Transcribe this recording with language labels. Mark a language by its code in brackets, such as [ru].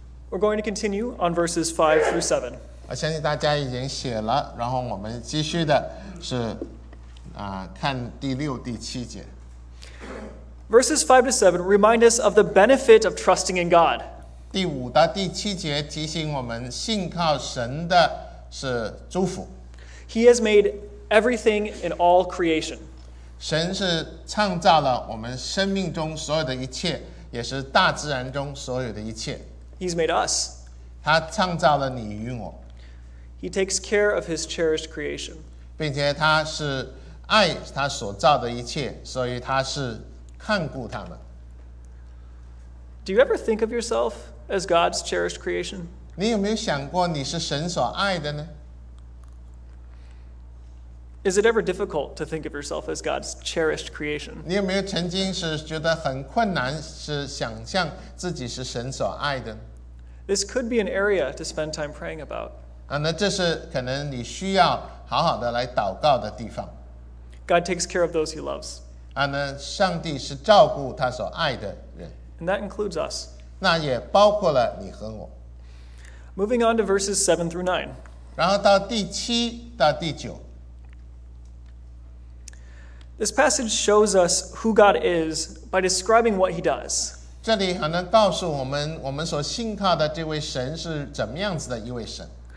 [en] We're going to continue on verses 5 through 7. [zh] 我相信大家已经写了，然后我们继续的是看第六、第七节。 [en] Verses 5 to 7 remind us of the benefit of trusting in God. [zh] 第五到第七节提醒我们，信靠神的是祝福。 [en] He has made everything in all creation. [zh] 神是创造了我们生命中所有的一切，也是大自然中所有的一切。 [en] He's made us. [zh] 他创造了你与我。 [en] He takes care of his cherished creation. [zh] 并且他是爱他所造的一切，所以他是看顾他们。 [en] Do you ever think of yourself as God's cherished creation? [zh] 你有没有想过你是神所爱的呢？ [en] Is it ever difficult to think of yourself as God's cherished creation? [zh] 你有没有曾经是觉得很困难，是想象自己是神所爱的？ [en] This could be an area to spend time praying about. [zh] 那这是可能你需要好好的来祷告的地方。 [en] God takes care of those he loves. [zh] 那上帝是照顾他所爱的人。 [en] And that includes us. [zh] 那也包括了你和我。 [en] Moving on to verses 7 through 9. [zh] 然后到第七到第九。 [en] This passage shows us who God is by describing what he does. [zh] 这里还能告诉我们，我们所信靠的这位神是怎么样子的一位神。